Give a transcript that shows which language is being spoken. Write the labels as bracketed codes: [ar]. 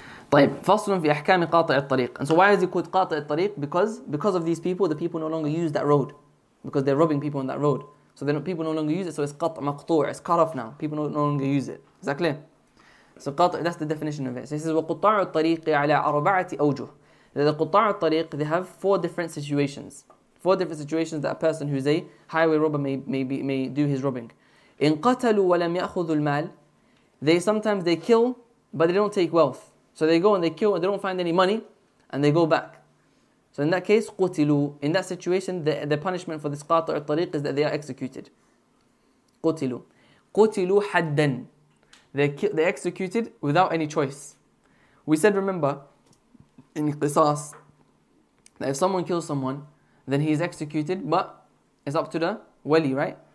[ar] طيب فصل في أحكام قاطع الطريق. [en] And so why is it called قاطع الطريق? Because of these people, the people no longer use that road, because they're robbing people on that road. So then people no longer use it. So it's قطع مقطوع. It's cut off now. People no longer use it. Is that clear? So قاطع, that's the definition of it. So he says [ar] وقطاع الطريق على أربعة أوجه. [en] The قطاع الطريق, they have four different situations. Four different situations that a person who's a highway robber may do his robbing. [ar] إن قتلوا ولم يأخذوا المال. [en] They sometimes kill, but they don't take wealth. So they go and they kill and they don't find any money and they go back. So in that case, قُتِلُوا. In that situation, the punishment for this قاطع الطريق is that they are executed. [ar] قُتِلُوا. قُتِلُوا حَدًّا. [en] They're executed without any choice. We said, remember, in Qisas, that if someone kills someone, then he is executed, but it's up to the wali, right?